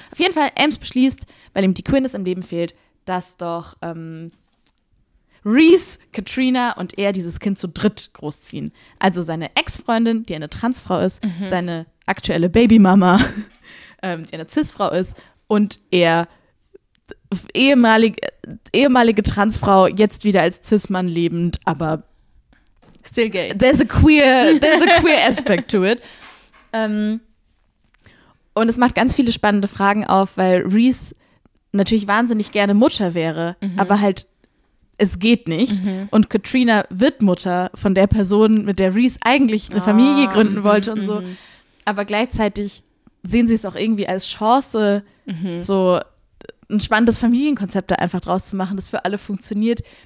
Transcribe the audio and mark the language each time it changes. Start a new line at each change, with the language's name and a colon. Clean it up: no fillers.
German: Auf jeden Fall, Ames beschließt, weil ihm die Queerness im Leben fehlt, dass doch Reese, Katrina und er dieses Kind zu dritt großziehen. Also seine Ex-Freundin, die eine Transfrau ist, seine aktuelle Babymama, die eine Cis-Frau ist, und er, ehemalige Transfrau, jetzt wieder als Cis-Mann lebend, aber
English: still gay. There's a queer aspect to it.
German: Und es macht ganz viele spannende Fragen auf, weil Reese natürlich wahnsinnig gerne Mutter wäre, aber halt, es geht nicht. Und Katrina wird Mutter von der Person, mit der Reese eigentlich eine Familie gründen wollte und so. Aber gleichzeitig sehen sie es auch irgendwie als Chance, so ein spannendes Familienkonzept da einfach draus zu machen, das für alle funktioniert.